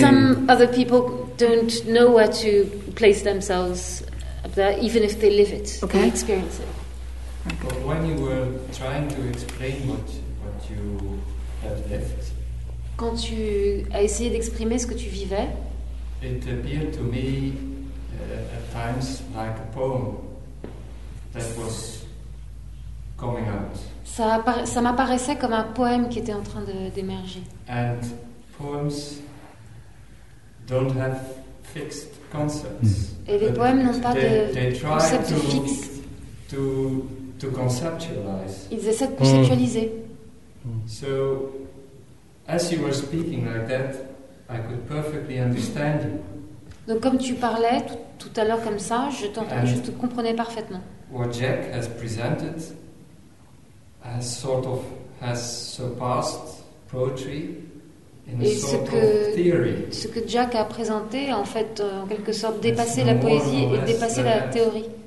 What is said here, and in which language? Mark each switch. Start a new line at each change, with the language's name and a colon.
English: Some other people don't know where to place themselves up there, even if they live it, okay. They experience it. But when you were trying to explain what you have left,
French: quand tu as essayé d'exprimer ce que tu vivais,
English: it appeared to me at times like a poem that was coming out.
French: Ça m'apparaissait comme un poème qui était en train d'émerger.
English: And poems don't have fixed concepts.
French: Et les poèmes n'ont pas
English: they
French: de concept fixe.
English: To conceptualize.
French: Ils essaient de conceptualiser.
English: So, as you were speaking like that, I could perfectly understand you.
French: Donc comme tu parlais tout à l'heure comme ça, je te comprenais parfaitement.
English: What Jack has presented has sort of has surpassed poetry in a sort of theory.
French: Ce que Jack a présenté, en fait, en quelque sorte, dépassé la poésie et dépassé la théorie.